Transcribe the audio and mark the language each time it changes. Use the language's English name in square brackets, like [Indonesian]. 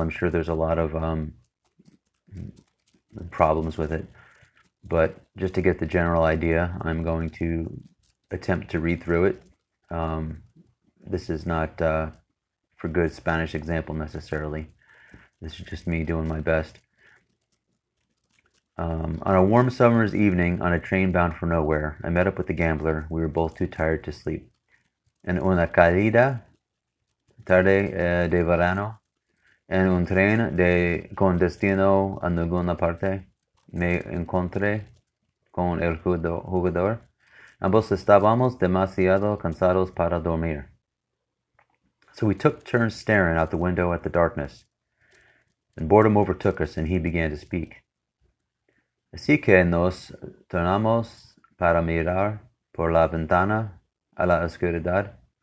[English] I'm sure there's a lot of problems with it, but just to get the general idea, I'm going to attempt to read through it. This is not for good Spanish example necessarily. This is just me doing my best. On a warm summer's evening, on a train bound for nowhere, I met up with the gambler. We were both too tired to sleep. [Spanish] En una cálida tarde de verano, en un tren de con destino a ninguna parte, me encontré con el jugador. Ambos estábamos demasiado cansados para dormir. [English] So we took turns staring out the window at the darkness, and boredom overtook us, and he began to speak. [Spanish] Así que nos tornamos para mirar por la ventana a la oscuridad.